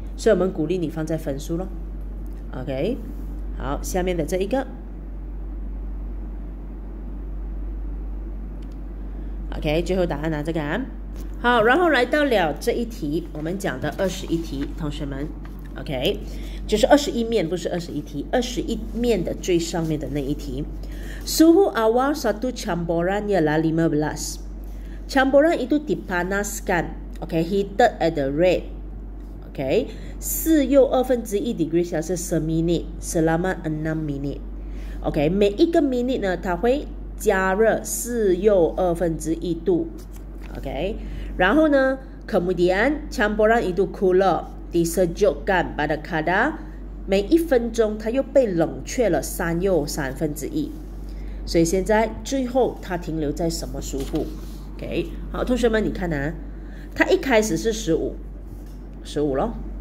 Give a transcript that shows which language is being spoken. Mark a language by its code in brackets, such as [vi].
[zh] 所以我们鼓励你放在分数咯 ，OK， 好，下面的这一个 ，OK， 最后答案拿这个啊。好，然后来到了这一题，我们讲的二十一题，同学们 ，OK， 就是二十一面，不是二十一题，二十一面的最上面的那一题。 [ms] Suhu awal satu campuran ialah 15. Campuran itu dipanaskan, OK, [en] heated at the rate, [ms] OK, [zh] 四又二分之一 [ms] degree Celsius per minute selama 6 minutes, OK, [zh] 每一个 minute 呢，它会加热四又二分之一度。 OK， 然后呢 ？ [ms] Kemudian campuran itu cooler disejukkan pada kadar [zh] 每一分钟它又被冷却了三又三分之一，所以现在最后它停留在什么数目 ？OK， 好，同学们你看啊，它一开始是十五，十五咯。